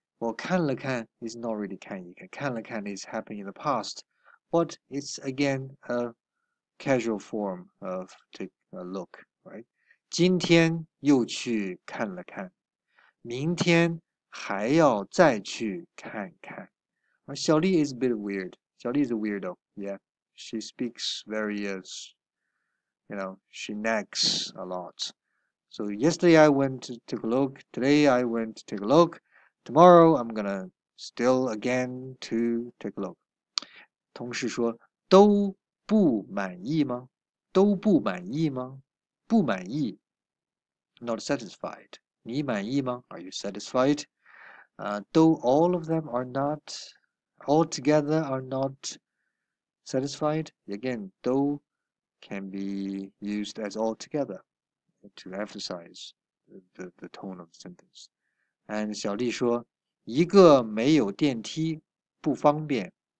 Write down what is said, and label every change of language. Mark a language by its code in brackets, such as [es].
[en] 我看了看 is not really 看一看，看了看 is happening in the past，but it's again a casual form of take a look，right？ [zh] 今天又去看了看，明天还要再去看看。 [en] Xiaoli is a bit weird. Xiaoli is a weirdo. Yeah, she speaks very, she nags a lot. So yesterday I went to take a look. Today I went to take a look. Tomorrow I'm gonna still again to take a look. [zh] 同事说都不满意吗？都不满意吗？不满意。 [en] Not satisfied. [zh] 你满意吗？ [en] Are you satisfied? 都 all of them are not. Altogether are not satisfied. Again, though can be used as altogether to emphasize the tone of the sentence. [zh] And 小丽说，一个没有电梯不方便。